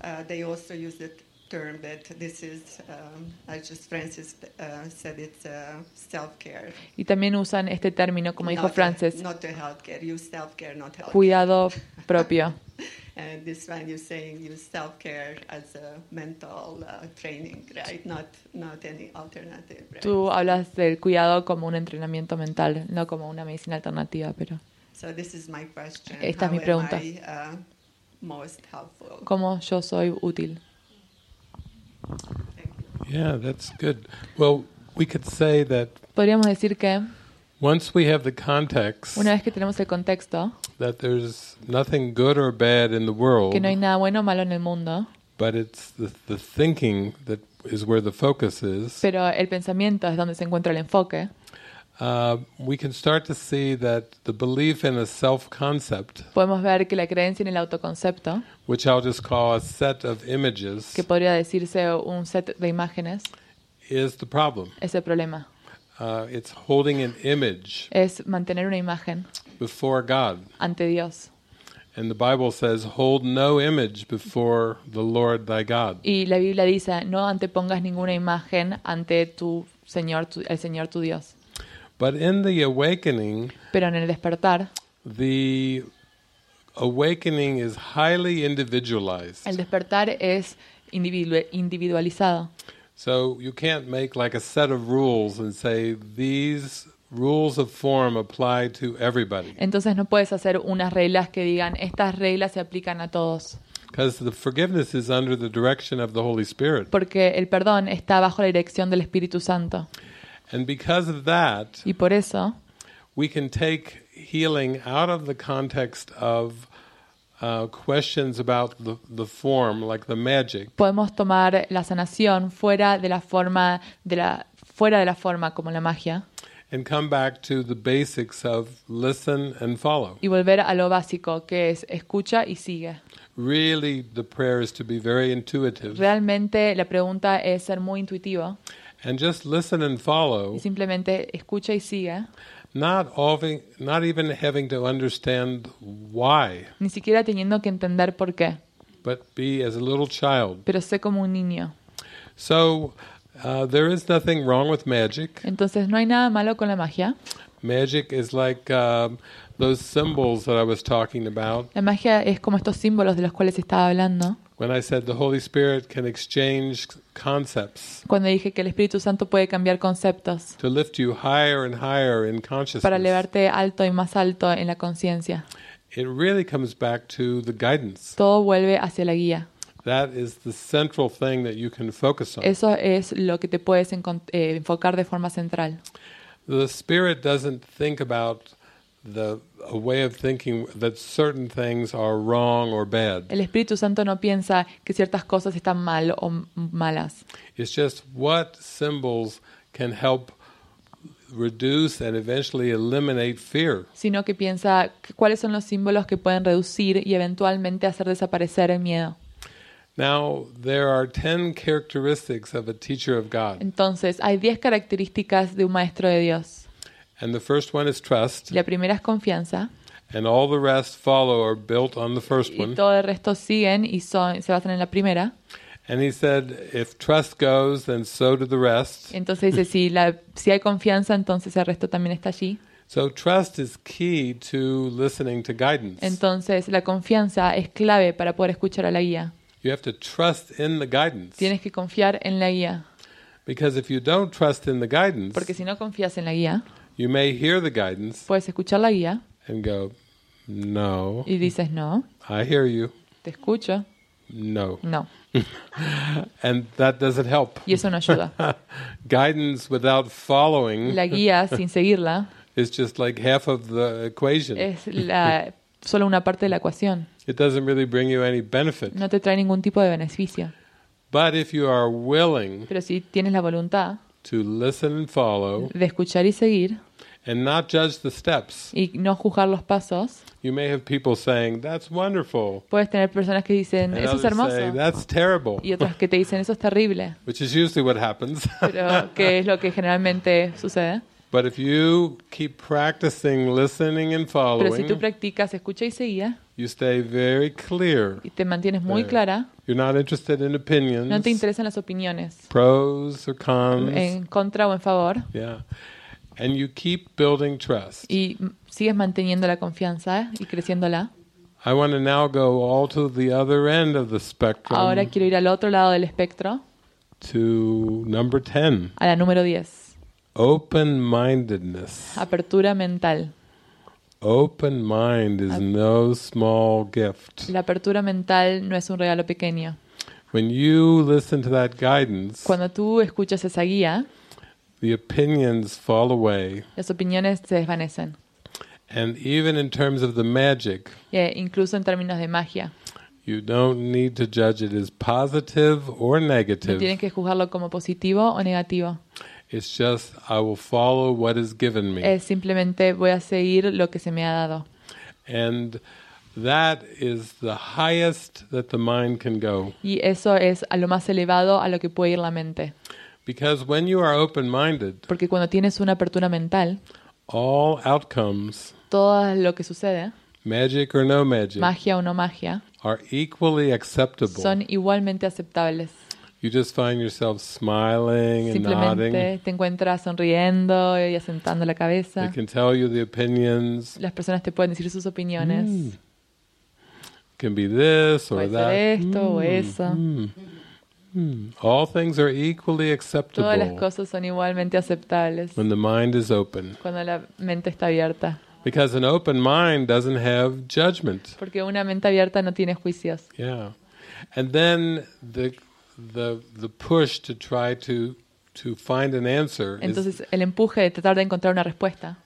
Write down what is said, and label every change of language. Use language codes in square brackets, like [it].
[en] They also use the term that this is as just Francis said, it's self-care. [es] Y también usan este término como dijo Francis. [en] Not the healthcare, use self-care, not healthcare. [es] Cuidado propio. [en] And this one you're saying use self-care as a mental training, right? Not any alternative, right? [es] Tú hablas del cuidado como un entrenamiento mental, no como una medicina alternativa, pero... [en] So this is my question. [es] Esta es mi pregunta. [en] How am I most helpful? [es] ¿Cómo yo soy útil? [en] Yeah, that's good. Well, we could say that... [es] Podríamos decir que... [en] Once we have the context, [es] una vez que tenemos el contexto, [en] that there's nothing good or bad in the world, [es] que no hay nada bueno o malo en el mundo, [en] but it's the thinking that is where the focus is. [es] Pero el pensamiento es donde se encuentra el enfoque. [en] We can start to see that the belief in a self-concept, [es] podemos ver que la creencia en el autoconcepto, [en] which I'll just call a set of images, [es] que podría decirse un set de imágenes, [en] is the problem. [es] Es el problema. [en] It's holding an image. [es] Es mantener una imagen. [en] Before God. [es] Ante Dios. [en] And the Bible says, "Hold no image before the Lord thy God." [es] Y la Biblia dice, no antepongas ninguna imagen ante tu Señor, el Señor tu Dios. [en] But in the awakening. [es] Pero en el despertar. [en] The awakening is highly individualized. [es] El despertar es individualizado. [en] So you can't make like a set of rules and say these rules of form apply to everybody. [es] Entonces no puedes hacer unas reglas que digan estas reglas se aplican a todos. [en] Because the forgiveness is under the direction of the Holy Spirit. [es] Porque el perdón está bajo la dirección del Espíritu Santo. [en] And because of that, [es] y por eso, [en] we can take healing out of the context of questions about the form, like the magic. [es] Podemos tomar la sanación fuera de la forma como la magia. [en] And come back to the basics of listen and follow. [es] Y volver a lo básico, que es escucha y sigue. [en] Really, the prayer is to be very intuitive. [es] Realmente la pregunta es ser muy intuitivo. [en] And just listen and follow. [es] Y simplemente escucha y sigue. [en] Not even having to understand why. [es] Ni siquiera teniendo que entender por qué. [en] But be as a little child. [es] Pero sé como un niño. [en] So there is nothing wrong with magic. [es] Entonces no hay nada malo con la magia. [en] Magic is like those symbols that I was talking about. [es] La magia es como estos símbolos de los cuales estaba hablando. [en] When I said the Holy Spirit can exchange concepts. [es] Cuando dije que el Espíritu Santo puede cambiar conceptos. [en] To lift you higher and higher in consciousness. [es] Para elevarte alto y más alto en la conciencia. [en] It really comes back to the guidance. [es] Todo vuelve hacia la guía. [en] That is the central thing that you can focus on. [es] Eso es lo que te puedes enfocar de forma central. [en] The Spirit doesn't think about a way of thinking that certain things are wrong or bad. [es] El Espíritu Santo no piensa que ciertas cosas están mal o malas. [en] It's just what symbols can help reduce and eventually eliminate fear. [es] Sino que piensa cuáles son los símbolos que pueden reducir y eventualmente hacer desaparecer el miedo. [en] Now there are 10 characteristics of a teacher of God. [es] Entonces hay 10 características de un maestro de Dios. [en] And the first one is trust. [es] La primera es confianza. [en] And all the rest follow or built on the first one. [es] Y todo el resto siguen y son, se basan en la primera. [en] And he said, if trust goes, then so do the rest. [es] Entonces dice, si hay confianza, entonces el resto también está allí. [en] So trust is key to listening to guidance. [es] Entonces la confianza es clave para poder escuchar a la guía. [en] You have to trust in the guidance. [es] Tienes que confiar en la guía. [en] Because if you don't trust in the guidance, [es] porque si no confías en la guía, [en] you may hear the guidance. [es] Puedes escuchar la guía. [en] And go, no. [es] Y dices no. [en] I hear you. [es] Te escucho. [en] No. [es] No. [en] And that doesn't help. [es] Y eso no ayuda. [en] Guidance without following. [es] La guía sin seguirla. [en] Is just like half of the equation. [es] Es la solo una parte de la ecuación. [en] It doesn't really bring you any benefit. [es] No te trae ningún tipo de beneficio. [en] But if you are willing, [es] pero si tienes la voluntad, [en] to listen and follow, [es] de escuchar y seguir, [en] and not judge the steps, [es] y no juzgar los pasos, [en] you may have people saying that's wonderful. [es] Puedes tener personas que dicen eso es hermoso, [en] say, that's terrible. [es] Y otras que te dicen eso es terrible. [en] Which is usually what happens. [es] Pero que es lo que generalmente sucede. [en] But if you keep practicing listening and following, [es] pero si tú practicas escucha y seguía, [en] you stay very clear. [es] Y te mantienes muy clara. [en] You're not interested in opinions. [es] No te interesan las opiniones. [en] Pros or cons. [es] En contra o en favor. [en] Yeah. And you keep building trust. [es] Y sigues manteniendo la confianza y creciéndola. [en] I want to now go all to the other end of the spectrum. [es] Ahora quiero ir al otro lado del espectro. [en] To number 10. [es] A la número 10. [en] Open-mindedness. [es] Apertura mental. [en] Open mind is no small gift. [es] La apertura mental no es un regalo pequeño. [en] When you listen to that guidance, [es] cuando tú escuchas esa guía, [en] the opinions fall away. [es] Las opiniones se desvanecen. [en] And even in terms of the magic, [es] yeah, incluso en términos de magia, [en] you don't need to judge it as positive or negative. [es] No tienes que juzgarlo como positivo o negativo. [en] It's just I will follow what is given me. [es] Es simplemente voy a seguir lo que se me ha dado. [en] And that is the highest that the mind can go. [es] Y eso es a lo más elevado a lo que puede ir la mente. [en] Because when you are open-minded, [es] porque cuando tienes una apertura mental, [en] all outcomes, [es] todo lo que sucede, [en] magic or no magic, [es] magia o no magia, [en] are equally acceptable. [es] Son igualmente aceptables. [en] You just find yourself smiling and nodding. [es] Simplemente te encuentras sonriendo y asentando la cabeza. [en] They can tell you the opinions. [es] Las personas te pueden decir sus opiniones. [en] Can be this or that. [es] Puede ser esto o eso. [en] All things are equally acceptable. [es] Todas las cosas son igualmente aceptables. [en] When the mind is open. [es] Cuando la mente está abierta. [en] Because an open mind doesn't have judgment. [es] Porque una mente abierta no tiene juicios. Yeah. [en] And then the push to try to find an answer. [es] Entonces el empuje de tratar de encontrar una respuesta.